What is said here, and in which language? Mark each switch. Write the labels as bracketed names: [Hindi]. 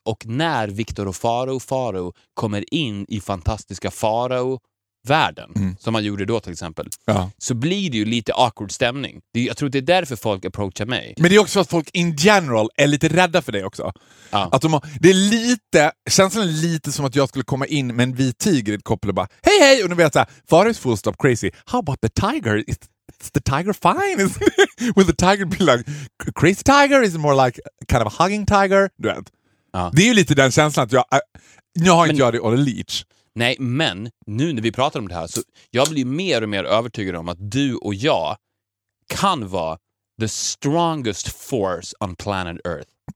[Swedish] Och när Victor och Faro och Faro kommer in i fantastiska Faro-världen, som man gjorde då till exempel, så blir det ju lite awkward stämning. Jag tror att det är därför folk approachar mig. Men det är också att folk in general är lite rädda för dig också. Ja. Att de har, det är lite, känns det lite som att jag skulle komma in med en vit tiger i ett koppel och bara, hej hej! [English] Och nu vet jag, Faro is full stop crazy. How about the tiger? Is the tiger fine? Will the tiger be like, crazy tiger is more like kind of a hugging tiger? [Swedish] Du vet. Ja. Det är ju lite den känslan att jag, nu har inte jag det on a leech. Nej, men nu när vi pratar om det här så jag blir mer och mer övertygad om att du och jag kan vara the strongest force on planet Earth.